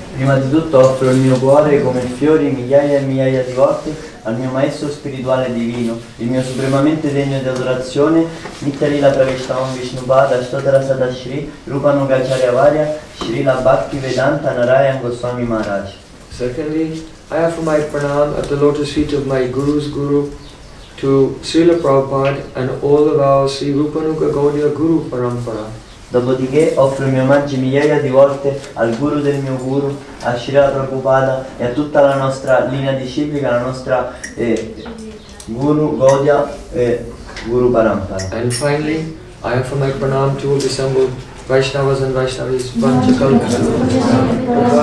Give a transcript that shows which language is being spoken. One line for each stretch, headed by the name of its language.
Italian: Prima di tutto offro il mio cuore come fiori migliaia e migliaia di volte al mio maestro spirituale divino, il mio supremamente degno di adorazione, Nittalila Pravishtam Vishnupada, Shtotara Sada Shri, Rupa Nugacharya Varya, Shri La Bhakti Vedanta Narayan Goswami Maharaj.
English: Secondly, I offer my pranam at the lotus feet of my Guru's Guru to Srila Prabhupada and all of our Sri Rupa Nuga Gaudiya Guru Parampara.
Italian: Dopodiché offro i miei omaggi migliaia di volte al Guru del mio Guru, a Srila Prabhupada e a tutta la nostra linea disciplica, la nostra Guru Gaudiya e Guru Parampara.
English: And finally, I offer my pranam to all the assembled Vaishnavas and Vaishnavis, Panchakalpa.